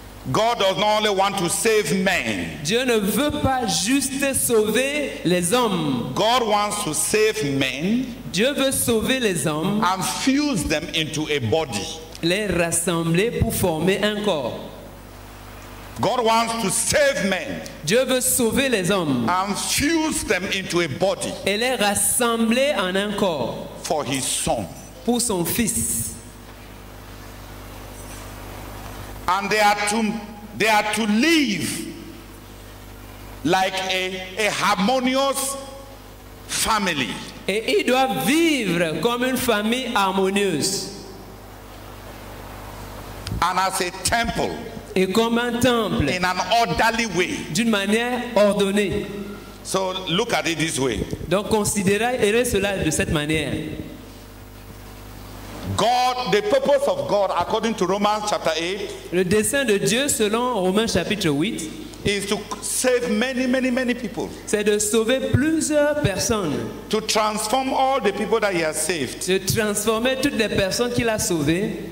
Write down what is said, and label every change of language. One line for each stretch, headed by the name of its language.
English: God does not only want to save men.
French: Dieu ne veut pas juste sauver les hommes.
English: God wants to save men.
French: Dieu veut sauver les hommes.
English: And fuse them into a body.
French: Les rassembler pour former un corps.
English: God wants to save men.
French: Dieu veut sauver les hommes.
English: And fuse them into a body.
French: Et les rassembler en un corps.
English: For his son.
French: Pour son fils.
English: And they are to live like a harmonious family.
French: Et ils doivent vivre comme une famille harmonieuse.
English: And as a temple.
French: Et comme un temple.
English: In an orderly way.
French: D'une manière ordonnée.
English: So look at it this way.
French: Donc considérez cela de cette manière.
English: God, the purpose of God, according to Romans chapter 8,
French: le dessein de Dieu selon Romains chapitre 8,
English: is to save many, many, many people.
French: C'est de sauver plusieurs personnes.
English: To transform all the people that he has saved.
French: De transformer toutes les personnes qu'il a sauvées.